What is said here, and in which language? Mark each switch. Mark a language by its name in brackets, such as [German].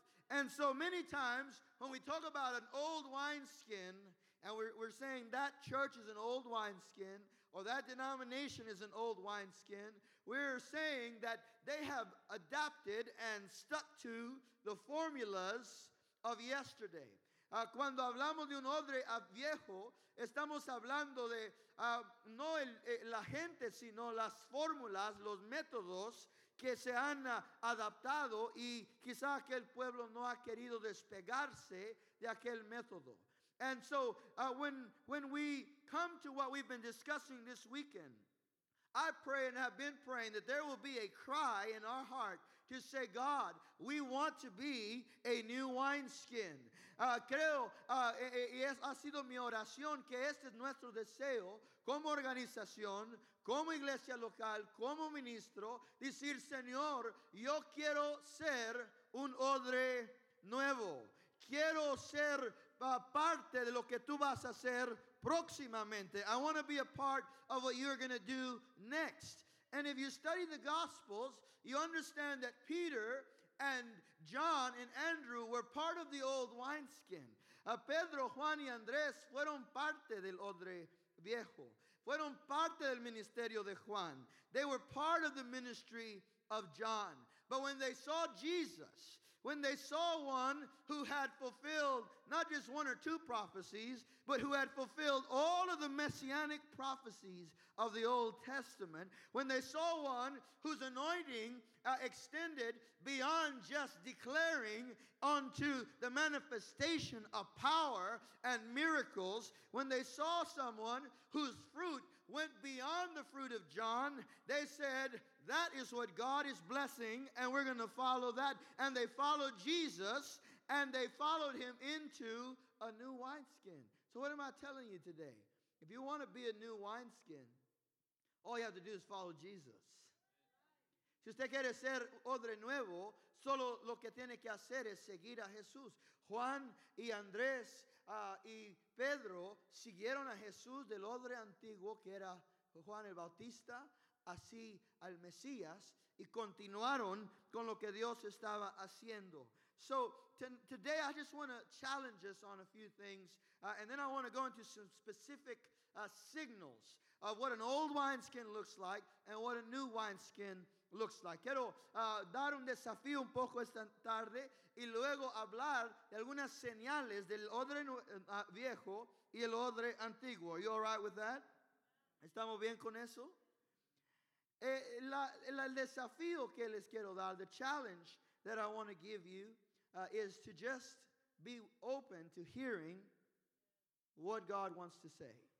[English] And so many times when we talk about an old wineskin, and we're saying that church is an old wineskin, or that denomination is an old wineskin, we're saying that they have adapted and stuck to the formulas of yesterday. [Spanish] Cuando hablamos de un odre viejo, estamos hablando de no la gente, sino las fórmulas, los métodos que se han adaptado y quizás que el pueblo no ha querido despegarse de aquel método. [English] And so when we come to what we've been discussing this weekend, I pray and have been praying that there will be a cry in our heart to say, God, we want to be a new wineskin. [Spanish] Ha sido mi oración que este es nuestro deseo como organización, como iglesia local, como ministro, decir, Señor, yo quiero ser un odre nuevo. Quiero ser parte de lo que tú vas a hacer próximamente. [English] I want to be a part of what you're going to do next. And if you study the Gospels, you understand that Peter and John and Andrew were part of the old wineskin. [Spanish] Pedro, Juan y Andrés fueron parte del odre viejo. Fueron parte del ministerio de Juan. [English] They were part of the ministry of John. But when they saw Jesus, when they saw one who had fulfilled not just one or two prophecies, but who had fulfilled all of the messianic prophecies of the Old Testament, when they saw one whose anointing extended beyond just declaring unto the manifestation of power and miracles, when they saw someone whose fruit went beyond the fruit of John, they said, that is what God is blessing, and we're going to follow that. And they followed Jesus, and they followed him into a new wineskin. So what am I telling you today? If you want to be a new wineskin, all you have to do is follow Jesus. [Spanish] Si usted quiere ser odre nuevo, solo lo que tiene que hacer es seguir a Jesús. Juan y Andrés y Pedro siguieron a Jesús del odre antiguo que era Juan el Bautista, así al Mesías, y continuaron con lo que Dios estaba haciendo. [English] So today I just want to challenge us on a few things, and then I want to go into some specific signals of what an old wineskin looks like and what a new wineskin looks like. [Spanish] Quiero dar un desafío un poco esta tarde y luego hablar de algunas señales del odre viejo y el odre antiguo. [English] Are you all right with that? [Spanish] ¿Estamos bien con eso? El desafío que les quiero dar, [English] the challenge that I want to give you, is to just be open to hearing what God wants to say.